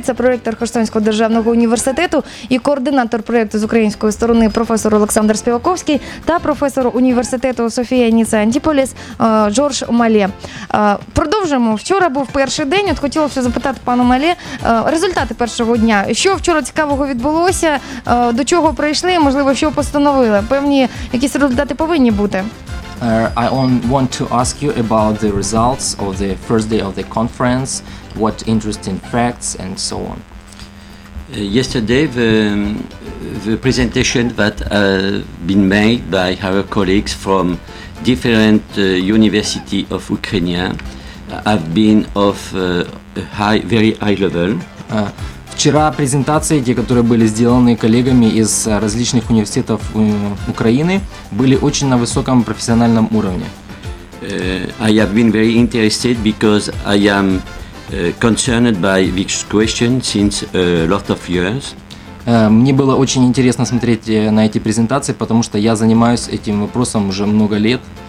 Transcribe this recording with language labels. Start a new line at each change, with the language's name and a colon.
Ukrainian: Це проректор Херсонського державного університету і координатор проєкту з української сторони професор Олександр Співаковський та професор університету Софія Ніца Антіполіс Джордж Мале. Продовжуємо. Вчора був перший день. От хотілося запитати пану Мале результати першого дня. Що вчора цікавого відбулося? До чого прийшли? Можливо, що постановили? Певні якісь результати повинні бути?
English: I want to ask you about the results of the first day of the conference, what interesting facts and so on. Yesterday the presentation that been made by our colleagues from different university of Ukraine have been of very high level.
Russian: Вчора презентации, те, которые были сделаны коллегами из различных университетов Украины, были очень на высоком профессиональном уровне.
English: I have been very interested because I am concerned by this question since a lot of years.
Russian: Мне было очень интересно смотреть на эти презентации, потому что я занимаюсь этим вопросом уже много лет.